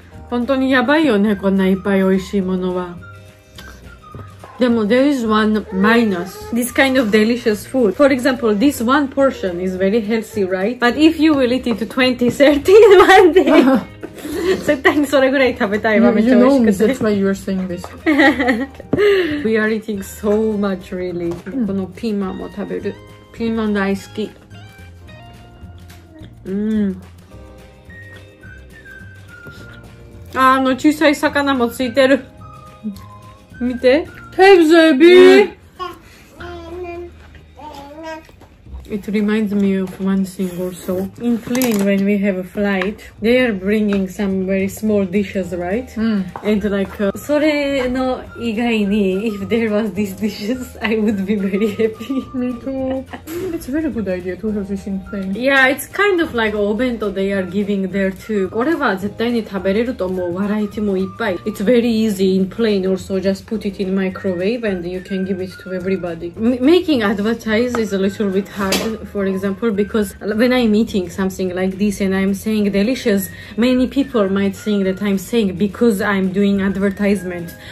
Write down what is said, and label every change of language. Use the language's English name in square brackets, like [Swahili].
[Japanese] 本当にやばいよね、こんないっぱい美味しいものは。 [English] でも there is one minus. This kind of delicious food. For example, this one portion is very healthy, right? But if you will eat it 20-30 in one day, [Japanese] 絶対にそれぐらい食べたいわ。めっちゃ美味しくて。 [English] That's why you are saying this. We are eating so much, really. [Japanese] このピーマンも食べる。ピーマン大好き。あの小さい魚もついてる。見て。 [English] Hey, baby! It reminds me of one thing also. In plane, when we have a flight, they are bringing some very small dishes, right? Mm. And like, [Japanese] それの以外に [English] if there was these dishes, I would be very happy. Me too. It's a very good idea to have this in plane. Yeah, it's kind of like お弁当 they are giving there too. [Japanese] これは絶対に食べれると思う。バラエティもいっぱい。 [English] It's very easy in plane also. Just put it in microwave and you can give it to everybody. Making advertise is a little bit hard. For example, because when I'm eating something like this and I'm saying delicious, many people might think that I'm saying because I'm doing advertisement.